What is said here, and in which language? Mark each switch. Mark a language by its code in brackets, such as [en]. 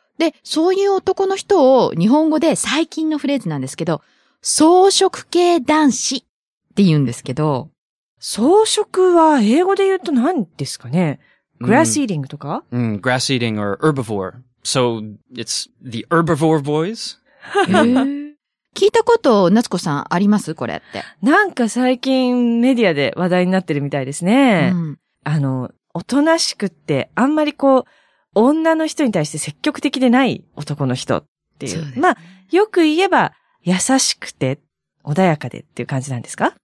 [ja] で、そういう男の人を日本語で最近のフレーズなんですけど、草食系男子って言うんですけど、草食は英語で言うと何ですかね ? [en] grass eating [ja] とか [en] grass eating or herbivore. So, it's the herbivore boys? [ja] 聞いたこと、夏子さんあります? これって。なんか最近メディアで話題になってるみたいですね。おとなしくって、あんまりこう、女の人に対して積極的でない男の人っていう。うまあ、よく言えば、優しくて、穏やかでっていう感じなんですか?